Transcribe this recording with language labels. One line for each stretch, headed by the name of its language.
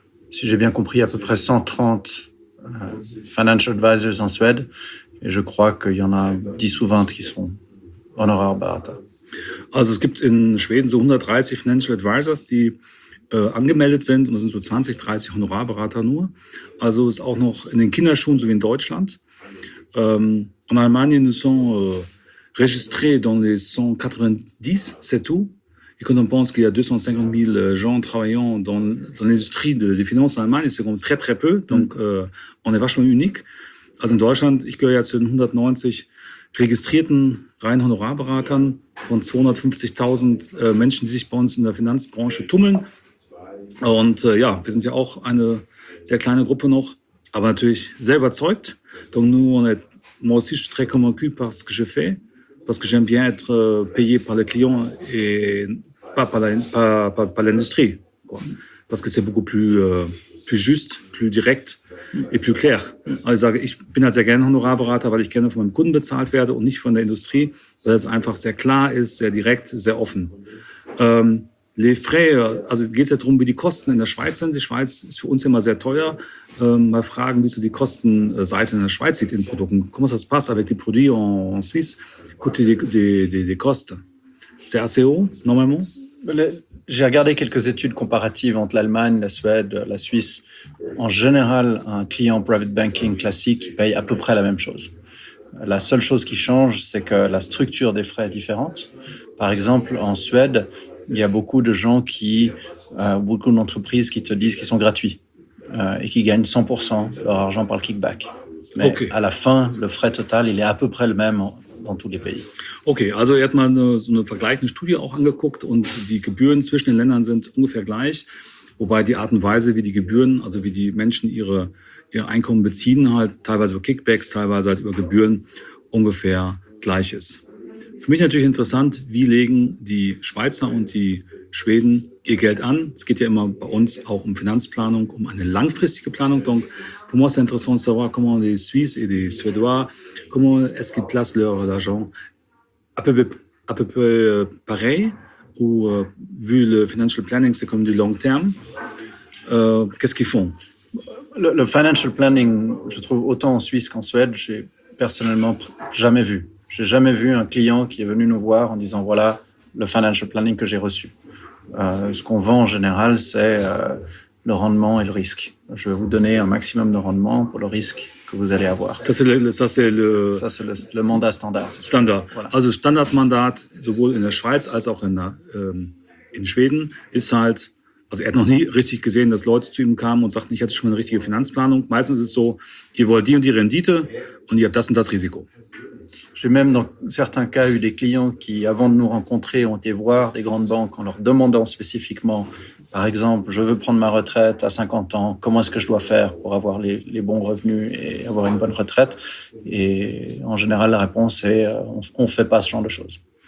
French: Si j'ai bien compris, à peu près 130 financial advisors en Suède. Et je crois qu'il y en a 10 ou 20 qui sont honorarberater.
German: Also es gibt in Schweden so 130 Financial Advisors, die angemeldet sind. Und das sind so 20, 30 Honorarberater nur. Also ist auch noch in den Kinderschuhen, so wie in Deutschland.
French: En Allemagne, nous sommes registrés dans les 190, c'est tout. Et quand on pense qu'il y a 250 000 gens travaillant dans l'industrie des finances en Allemagne, c'est comme très, très peu. Donc, on est vachement unique.
German: Also in Deutschland, ich gehöre ja zu den 190 registrierten reinen Honorarberatern von 250.000 Menschen, die sich bei uns in der Finanzbranche tummeln. Und ja, wir sind ja auch eine sehr kleine Gruppe noch, aber natürlich sehr überzeugt.
French: Donc, nous, on est aussi très convaincu par ce que je fais. Parce que j'aime bien être payé par les clients et pas par l'industrie. Quoi. Parce que c'est beaucoup plus juste, plus direct et plus clair.
German: Also ich sage, ich bin halt sehr gerne Honorarberater, weil ich gerne von meinem Kunden bezahlt werde und nicht von der Industrie, weil es einfach sehr klar ist, sehr direkt, sehr offen.
French: Les frais,
German: also geht es jetzt darum, wie die Kosten in der Schweiz sind. Die Schweiz ist für uns immer sehr teuer. Mal fragen, wie so die Kostenseite in der Schweiz sieht in Produkten.
French: Comment ça se passe avec les produits en Suisse? Côté des Kosten. C'est assez haut, normalement? J'ai regardé quelques études comparatives entre l'Allemagne, la Suède, la Suisse. En général, un client private banking classique paye à peu près la même chose. La seule chose qui change, c'est que la structure des frais est différente. Par exemple, en Suède, il y a beaucoup de gens qui, beaucoup d'entreprises qui te disent qu'ils sont gratuits et qui gagnent 100% leur argent par le kickback. Mais okay. À la fin, le frais total, il est à peu près le même dans tous les pays.
German: Ok, also er hat mal so eine vergleichende Studie auch angeguckt und die Gebühren zwischen den Ländern sind ungefähr gleich, wobei die Art und Weise, wie die Gebühren, also wie die Menschen ihr Einkommen beziehen, halt teilweise über Kickbacks, teilweise halt über Gebühren, ungefähr gleich ist. Für mich natürlich interessant, wie legen die Schweizer und die Schweden ihr Geld an? Es geht ja immer bei uns auch um Finanzplanung, um eine langfristige Planung.
French: Donc, pour moi, c'est intéressant de savoir comment les Suisses et les Suédois, comment est-ce qu'ils placent leur argent à peu près pareil ou vu le financial planning, c'est comme du long terme. Qu'est-ce qu'ils font? Le financial planning, je trouve autant en Suisse qu'en Suède, j'ai personnellement jamais vu. J'ai jamais vu un client qui est venu nous voir en disant voilà le financial planning que j'ai reçu. Ce qu'on vend en général, c'est le rendement et le risque. Je vais vous donner un maximum de rendement pour le risque que vous allez avoir. Ça, c'est le mandat standard. Standard. Voilà.
German: Also Standardmandat, sowohl in der Schweiz als auch in Schweden, ist halt, also er hat noch nie richtig gesehen, dass Leute zu ihm kamen und sagten, ich hatte schon mal eine richtige Finanzplanung. Meistens ist es so, ihr wollt die und die Rendite und ihr habt das und das Risiko.
French: J'ai même dans certains cas eu des clients qui, avant de nous rencontrer, ont été voir des grandes banques en leur demandant spécifiquement, par exemple, je veux prendre ma retraite à 50 ans, comment est-ce que je dois faire pour avoir les bons revenus et avoir une bonne retraite? Et en général, la réponse est, on ne fait pas ce genre de choses.